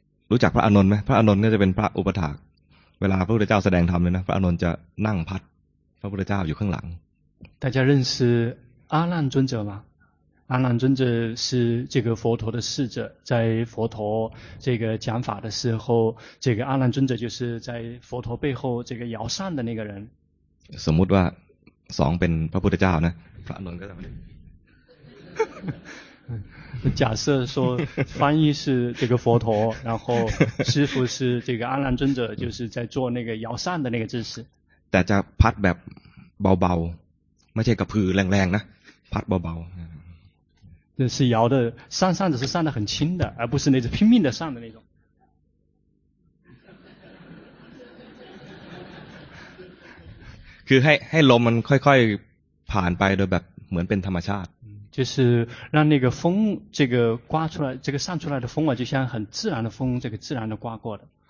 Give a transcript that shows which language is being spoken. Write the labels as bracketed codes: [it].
[th] รู้จักพระอานนท์ไหมพระอานนท์ก็จะเป็นพระอุปถากเวลาพระพุทธเจ้าแสดงธรรมเลยนะพระอานนท์จะนั่งพัดพระพุทธเจ้าอยู่ข้างหลัง [zh] 大家认识阿难尊者吗阿难尊者是这个佛陀的侍者在佛陀这个讲法的时候这个阿难尊者就是在佛陀背后这个摇扇的那个人 [th] สมมติว่าสองเป็นพระพุทธเจ้านะพระอนุนก็ทำได้ [zh] 假设说翻译是这个佛陀然后师父是这个阿难尊者就是在做那个摇扇的那个姿势 [th] แต่จะพัดแบบเบาๆไม่ใช่กระพือแรงๆนะพัดเบา [zh] ๆ这是摇的扇扇子是扇的很轻的而不是那种拼命的扇的那种 [th] คือให้ลมมันค่อยๆผ่านไปโดยแบบเหมือนเป็นธรรมชาติ [zh] 就是让那个风这个刮出来这个散出来的风啊就像很自然的风这个自然的刮过的